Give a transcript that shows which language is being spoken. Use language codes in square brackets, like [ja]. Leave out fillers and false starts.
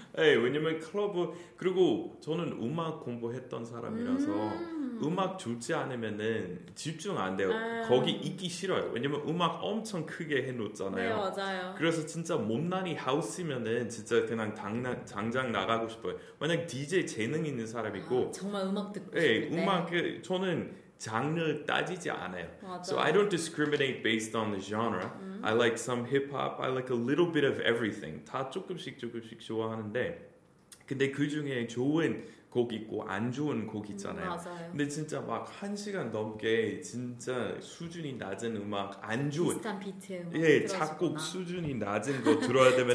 [ko] 네, 왜냐면 클럽 그리고 저는 음악 공부했던 사람이라서 음악 줄지 않으면은 집중 안 돼요. 거기 있기 싫어요. 왜냐면 음악 엄청 크게 해놓잖아요. 네, 맞아요. 그래서 진짜 못난이 하우스면은 진짜 그냥 당장 나가고 싶어요. 만약 DJ 재능 있는 사람이고 아, 정말 음악 듣고 싶은데 네, 음악 저는 장르 따지지 않아요. 맞아. [en] So I don't discriminate based on the genre. I like some hip hop. I like a little bit of everything. [ko] 다 조금씩 좋아하는데, 근데 그 중에 좋은 곡 있고 안 좋은 곡 있잖아요. 맞아요. 근데 진짜 막 한 시간 넘게 진짜 수준이 낮은 음악 안 좋은 비슷한 비트 음악 예 작곡 수준이 낮은 거 들어야 되면은